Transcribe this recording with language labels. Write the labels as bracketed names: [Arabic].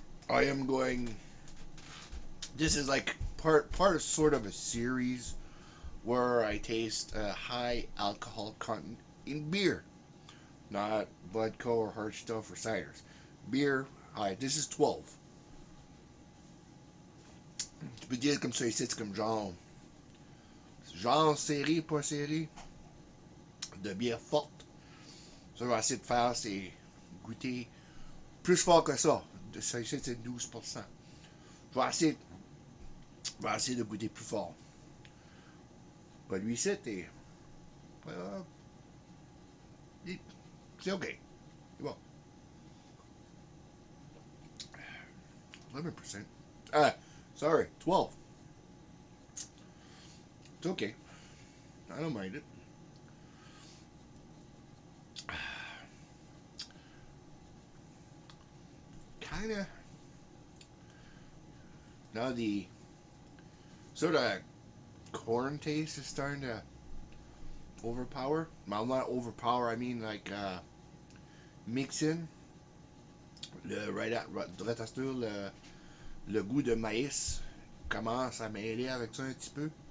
[English] I am going, this is like part of sort of a series where I taste a high alcohol content in beer, not vodka or hard stuff or ciders. Beer, high. This is 12. [French] Tu peux dire comme ça ici, c'est comme genre série, pas série, de bière forte. Ça va essayer de faire, c'est goûter plus fort que ça. Ça ici, c'est 12%. Je vais essayer de goûter plus fort. Mais lui, c'était... c'est OK. C'est bon. [English] 11%. Sorry, 12. It's OK. I don't mind it. Kinda. Now the sort of corn taste is starting to overpower. Well, not overpower, I mean like mix in. [French] Le goût de maïs commence à mêler avec ça un petit peu.